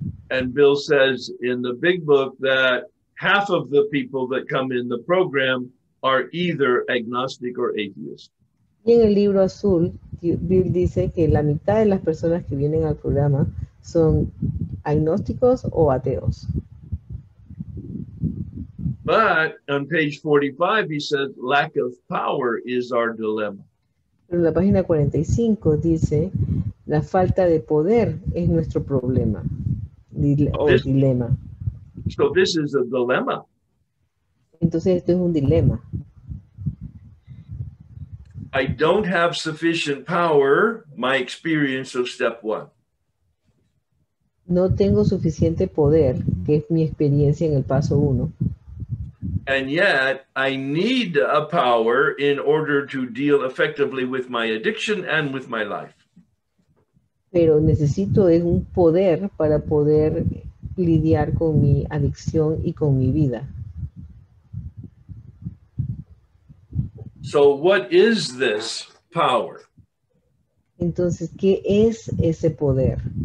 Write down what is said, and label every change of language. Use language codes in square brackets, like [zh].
[en] And Bill says in the big book that half of the people that come in the program are either agnostic or atheist. [es] Y en el libro azul, Bill dice que la mitad de las personas que vienen al programa son agnósticos o ateos. [en] But on page 45, he said, lack of power is our dilemma. [es] En la página 45 dice, la falta de poder es nuestro problema, dilema. [en] So this is a dilemma. [es] Entonces esto es un dilema. [en] I don't have sufficient power, my experience of step one. [es] No tengo suficiente poder, que es mi experiencia en el paso uno. [en] And yet, I need a power in order to deal effectively with my addiction and with my life. [es] Pero necesito es un poder para poder lidiar con mi adicción y con mi vida. [en] So what is this power? [es] Entonces, ¿qué es ese poder?